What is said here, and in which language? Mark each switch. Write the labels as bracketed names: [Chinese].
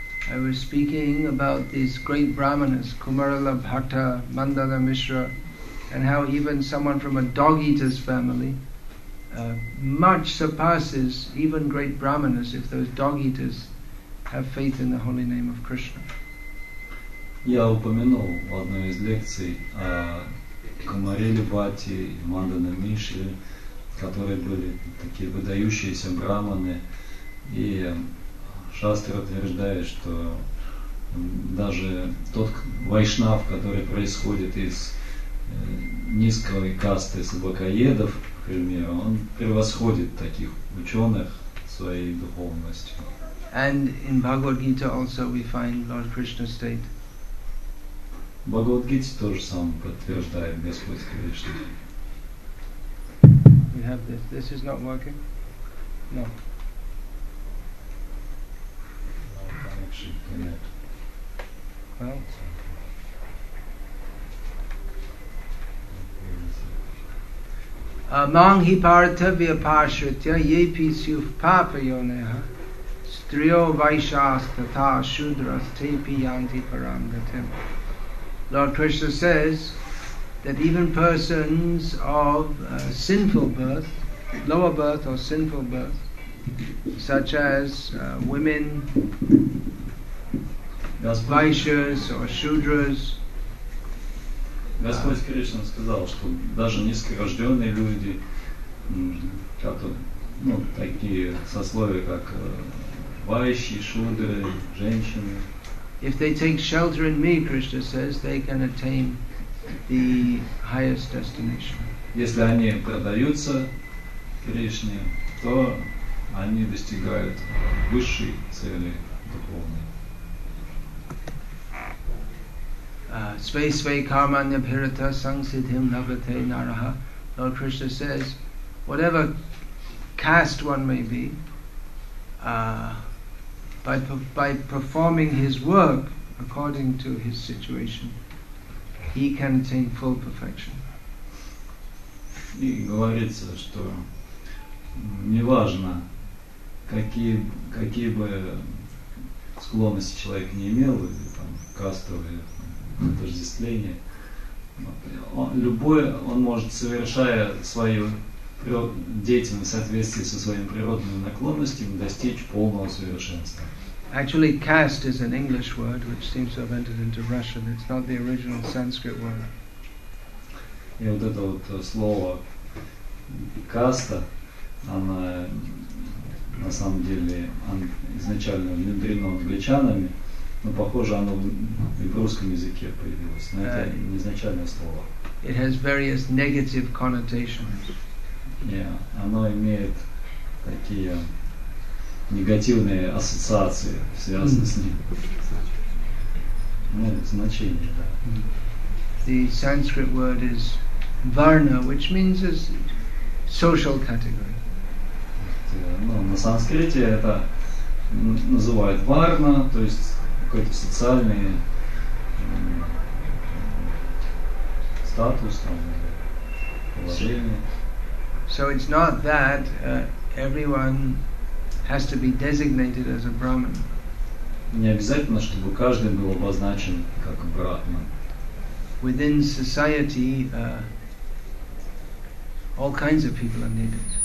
[English] I was speaking about these great brahmanas, Kumarala Bhatta, Mandala Mishra, and how even someone from a dog eater's family much surpasses even great brahmanas if those dog eaters have faith in the holy name of Krishna. [Russian] Я упомянул в одной из лекций о Кумареле Бхатте и Мандале Мишре, которые были такие выдающиеся брахманы, и шастра утверждает, что даже тот вайшнав, который происходит из низкой касты собакоедов, к примеру, он превосходит таких ученых своей духовностью. [English] And in Bhagavad Gita also we find Lord Krishna state. [Russian] Бхагавад-гите то же самое подтверждает Господь Кришна. [English] We have this. This is not working? No. No connection. Well. [Sanskrit] Among hiparta vyapashritya yepisyuf papayoneha striyo vaishastata shudras tepi yanti parangatim. [English] Lord Krishna says that even persons of sinful birth, lower birth or sinful birth, such as women, Vaishyas or Shudras, [Russian] Господь Кришна сказал, что даже низкорожденные люди, которые, ну, такие сословия, как вайши, шудры, женщины, [English] if they take shelter in me, Krishna says, they can attain the highest destination. [Russian] Если они предаются Кришне, то они достигают высшей цели духовной. [Sanskrit] Svai svai kamanya pirata sangsidhim navate naraha. [English] Lord Krishna says, whatever caste one may be, by performing his work according to his situation, he can attain full perfection. [Russian] И говорится, что неважно, какие бы склонности человек не имел, или там кастовые отождествления, он может, совершая свою деятельность в соответствии со своими природными наклонностями, достичь полного совершенства. [English] Actually, caste is an English word which seems to have entered into Russian. It's not the original Sanskrit word. [Russian] И вот это вот слово каста, оно на самом деле изначально внедрено англичанами, но похоже оно и в русском языке появилось. Но это не изначальное слово. [English] It has various negative connotations. [Russian] Yeah, оно имеет такие негативные ассоциации, связанные с ним. Ну, значение, да. [English] The Sanskrit word is varna, which means a social category. [Russian] Ну, на санскрите это называют варна, то есть какой-то социальный статус, там, положение. [English] So it's not that everyone has to be designated as a Brahmin. [Russian] Не обязательно, чтобы каждый был обозначен как Брахман. [English] Within society, all kinds of people are needed.